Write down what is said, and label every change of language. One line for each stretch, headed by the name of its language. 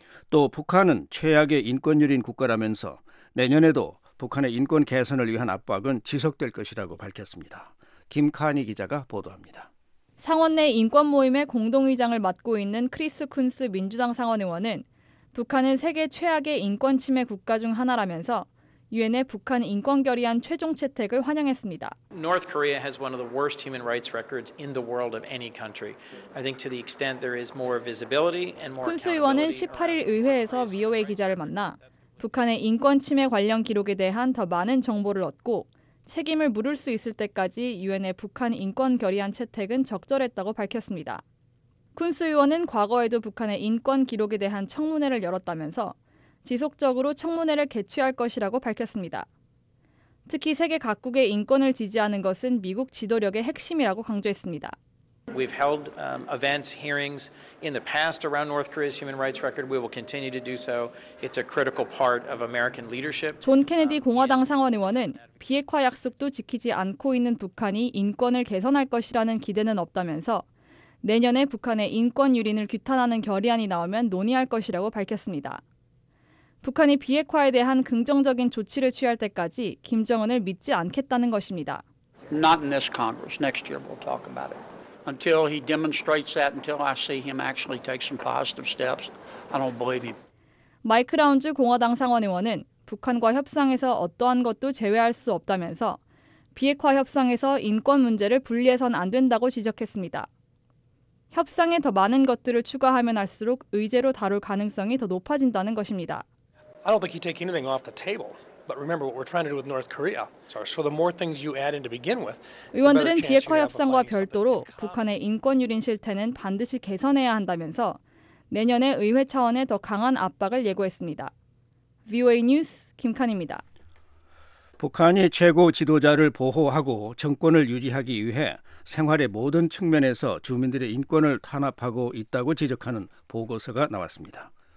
Korean: 또 북한은 최악의 인권유린 국가라면서 내년에도 북한의 인권 개선을 위한 압박은 지속될 것이라고 밝혔습니다. 김카니 기자가 보도합니다. 상원 내 인권 모임의 공동의장을 맡고 있는 크리스 쿤스 민주당 상원의원은 북한은 세계 최악의 인권 침해 국가 중 하나라면서 유엔의 북한 인권 결의안 최종 채택을 환영했습니다.
English: North Korea has one of the worst human rights records in the world of any country. I think to the extent there is more visibility and more.
Korean: 쿤스 의원은 18일 의회에서 VOA 기자를 만나 북한의 인권 침해 관련 기록에 대한 더 많은 정보를 얻고 책임을 물을 수 있을 때까지 유엔의 북한 인권 결의안 채택은 적절했다고 밝혔습니다. 쿤스 의원은 과거에도 북한의 인권 기록에 대한 청문회를 열었다면서 지속적으로 청문회를 개최할 것이라고 밝혔습니다. 특히 세계 각국의 인권을 지지하는 것은 미국 지도력의 핵심이라고 강조했습니다.
English: We've held events, hearings in the past around North Korea's human rights record. We will continue to do so. It's a critical part of American leadership.
Korean: 존 케네디 공화당 상원 의원은 비핵화 약속도 지키지 않고 있는 북한이 인권을 개선할 것이라는 기대는 없다면서 내년에 북한의 인권 유린을 규탄하는 결의안이 나오면 논의할 것이라고 밝혔습니다. 북한이 비핵화에 대한 긍정적인 조치를 취할 때까지 김정은을 믿지 않겠다는 것입니다.
English: Not in this Congress. Next year we'll talk about it. Until he demonstrates that, until I see him actually take some positive steps, I don't believe him.
Korean: 마이크 라운즈 공화당 상원 의원은 북한과 협상에서 어떠한 것도 제외할 수 없다면서 비핵화 협상에서 인권 문제를 분리해선 안 된다고 지적했습니다. 협상에 더 많은 것들을 추가하면 할수록 의제로 다룰 가능성이 더 높아진다는 것입니다.
English: I don't think he'd take anything off the table. But remember what we're trying to do with North Korea. So the more things you add in to begin with.
Korean: 의원들은 비핵화 협상과 별도로 북한의 인권 유린 실태는 반드시 개선해야 한다면서 내년에 의회 차원의 더 강한 압박을 예고했습니다. VOA 뉴스 김칸입니다. 북한이 최고 지도자를 보호하고 정권을 유지하기 위해 생활의 모든 측면에서 주민들의 인권을 탄압하고 있다고 지적하는 보고서가 나왔습니다.